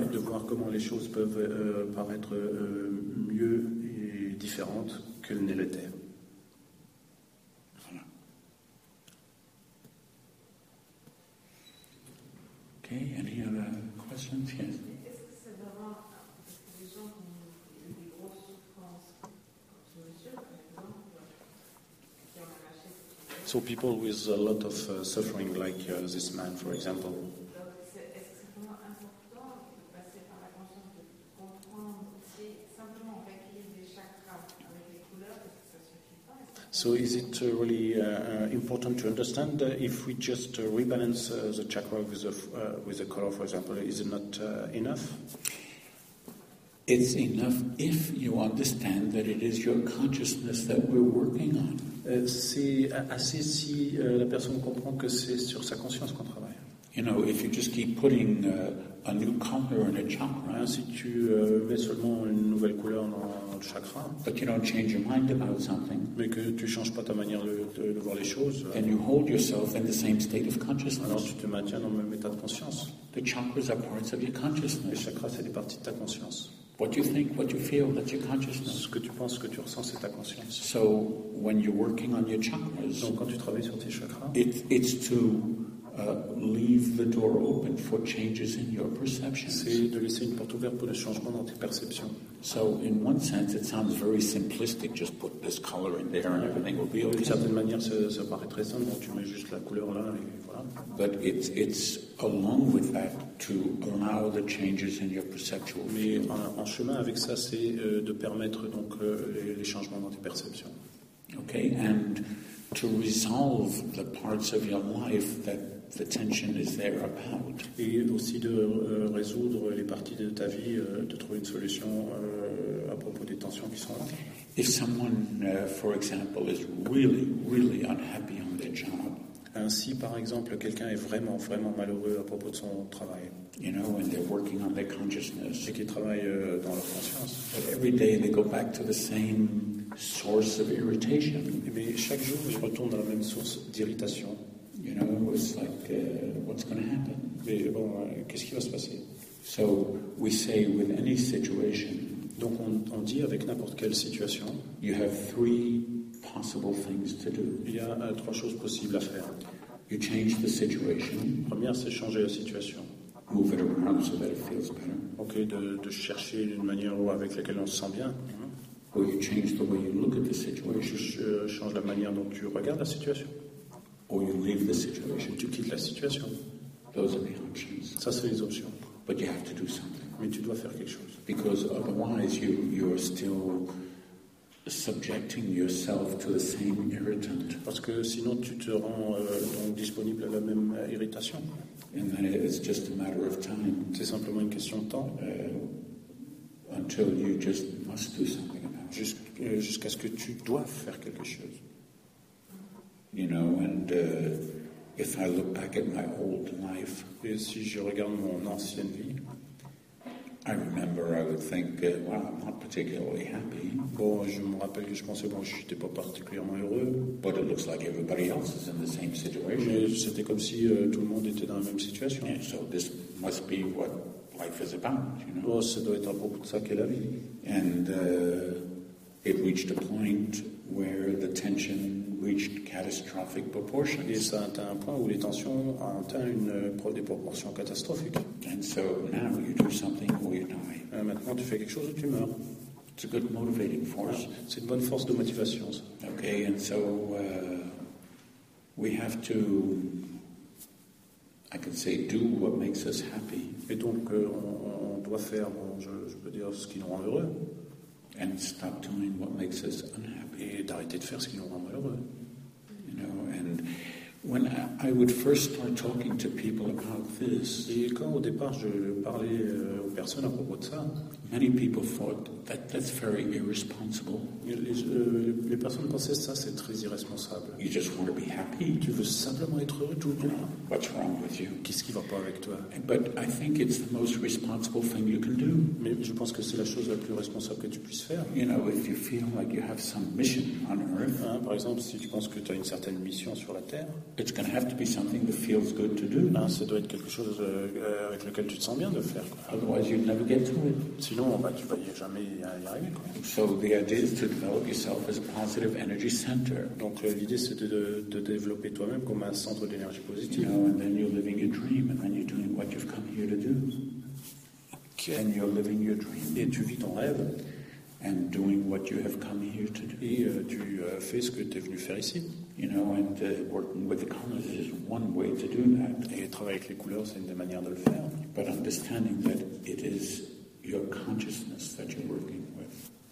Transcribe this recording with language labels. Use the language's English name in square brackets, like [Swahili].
[French] Et de voir comment les choses peuvent paraître mieux et différentes qu'elles ne l'étaient. [English] Okay, any other questions? Yes. So people with a lot of suffering, like this man, for example. So is it really important to understand if we just rebalance the chakra with the color, for example, is it not enough? It's enough if you understand that it is your consciousness that we're working on. [French] C'est assez si la personne comprend que c'est sur sa conscience qu'on travaille. [English] You know, if you just keep putting a new color in a chakra, [French] si tu mets seulement une nouvelle couleur dans le chakra, [English] but you don't change your mind about something, [French] mais que tu changes pas ta manière de voir les choses, [English] and you hold yourself in the same state of consciousness, [French] alors tu te maintiens dans le même état de conscience. [English] The chakras are parts of your consciousness. [French] Les chakras, c'est des parties de ta conscience. [English] What you think, what you feel, that's your consciousness. [French] Ce que tu penses, ce que tu ressens, c'est ta conscience. [English] So when you're working on your chakras, [French] donc quand tu travailles sur tes chakras, [English] it's to leave the door open for changes in your perceptions. [French] C'est de laisser une porte ouverte pour le changement dans tes perceptions. [English] So in one sense, it sounds very simplistic. Just put this color in there, and everything will be okay. [French] D'une certaine manière, ça paraît très simple. Tu mets juste la couleur là, et voilà. [English] But it's along with that to allow the changes in your perceptual field. [French] Mais en chemin avec ça, c'est de permettre donc les changements dans tes perceptions. [English] Okay, and to resolve the parts of your life that the tension is there about. [French] Et aussi de résoudre les parties de ta vie, de trouver une solution à propos des tensions qui sont là. [English] If someone, for example, is really, really unhappy on their job. [French] Ainsi, par exemple, quelqu'un est vraiment, vraiment malheureux à propos de son travail. [English] You know, when they're working on their consciousness. [French] Et qui travaille dans leur conscience. [English] But every day they go back to the same source of irritation. [French] Et bien, chaque jour, ils retournent à la même source d'irritation. [English] You know, it's like, what's going to happen? [French] Mais bon, qu'est-ce qui va se passer? [English] So we say with any situation. [French] Donc on dit avec n'importe quelle situation. [English] You have three possible things to do. [French] Il y a trois choses possibles à faire. [English] You change the situation. [French] Première, c'est changer la situation. [English] Move it around so that it feels better. [French] Okay, de chercher une manière ou avec laquelle on se sent bien. [English] Or you change the way you look at the situation. [French] Ou change la manière dont tu regardes la situation. [English] Or you leave the situation. [French] Tu quittes la situation. [English] Those are the options. [French] Ça, c'est les options. [English] But you have to do something. [French] Mais tu dois faire quelque chose. [English] Because otherwise you're still subjecting yourself to the same irritant. [French] Parce que sinon tu te rends donc disponible à la même irritation. [English] And then it's just a matter of time. [French] C'est simplement une question de temps. [English] Until you just must do something about it. [French] Jusqu'à ce que tu dois faire quelque chose. [English] You know, and if I look back at my old life, [French] et si je regarde mon ancienne vie, [English] I remember I would think, well, I'm not particularly happy. [French] Bon, je me rappelle que je pensais, bon, je n'étais pas particulièrement heureux. [English] But it looks like everybody else is in the same situation. [French] Mais c'était comme si tout le monde était dans la même situation. [English] And so this must be what life is about, you know. [French] Bon, ça doit être à propos de ça qu'est la vie. [English] And it reached a point where the tension reached catastrophic proportions. [French] Et ça atteint un point où les tensions atteint des proportions catastrophiques. [English] And so now you do something or you die. [French] Maintenant tu fais quelque chose ou tu meurs. [English] It's a good motivating force. [French] C'est une bonne force de motivation. [English] Okay, and so we have to, I can say, do what makes us happy. [French] Et donc on doit faire, bon, je peux dire, ce qui nous rend heureux. [English] And stop doing what makes us unhappy. [French] Et d'arrêter de faire ce qui nous rend malheureux. [English] You know, and When I would first start talking to people about this, [French] et quand au départ je parlais aux personnes à propos de ça, [English] many people thought that that's very irresponsible. [French] Les personnes pensaient ça, c'est très irresponsable. [English] You just want to be happy. [French] Tu veux simplement être heureux tout le temps. [English] What's wrong with you? [French] Qu'est-ce qui va pas avec toi? [English] But I think it's the most responsible thing you can do. [French] Mais je pense que c'est la chose la plus responsable que tu puisses faire. [English] You know, if you feel like you have some mission on Earth. [French] Hein, par exemple, si tu penses que tu as une certaine mission sur la Terre. [English] It's going to have to be something that feels good to do. [French] Non, ça doit être quelque chose avec lequel tu te sens bien de faire. [English] Otherwise, you'd never get to it. [French] Sinon, bah, tu vas jamais y arriver. Quoi. [English] So the idea is to develop yourself as a positive energy center. [French] Donc l'idée c'est de développer toi-même comme un centre d'énergie positive. [English] You know, and then you're living your dream, and then you're doing what you've come here to do. Okay. And you're living your dream. [French] Et tu vis ton rêve. [English] And doing what you have come here to do. [French] Et tu fais ce que tu es venu faire ici. [English] You know, and working with the colors is one way to do that. [French] Et travailler avec les couleurs, c'est une des manières de le faire. [English] But understanding that it is your consciousness that you're working with.